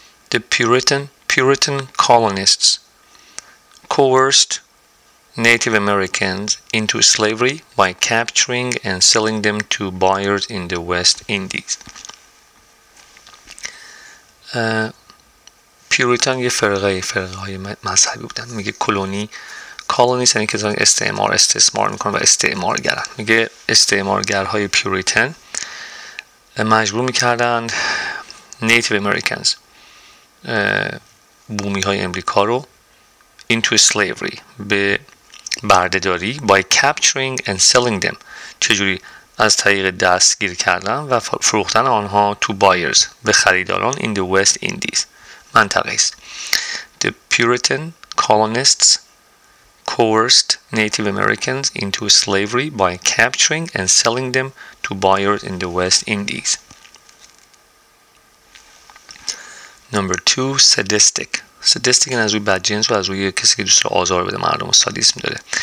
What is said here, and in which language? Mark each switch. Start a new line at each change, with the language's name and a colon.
English: The Puritan colonists coerced Native Americans into slavery by capturing and selling them to buyers in the West Indies.
Persian: Puritan یه فرقه های مذهبی بودن. میگه کلونی، کالونیست یعنی کسان استعمار، استثمار میکنن و استعمارگرن. میگه استعمارگرهای پیوریتن مجبور میکردند Native Americans، بومی های امریکا رو،
English: into slavery،
Persian: به بردهداری،
English: by capturing and selling them،
Persian: چجوری؟ از طریق دستگیر کردن و فروختن آنها
English: to buyers،
Persian: به خریداران،
English: in the West Indies،
Persian: منطقه است.
English: The Puritan colonists coerced Native Americans into slavery by capturing and selling them to buyers in the West Indies. Number 2، sadistic.
Persian: Sadistic این از روی بدجنس و از روی کسی که دوست رو آزار بده مردم و سادیسم داره.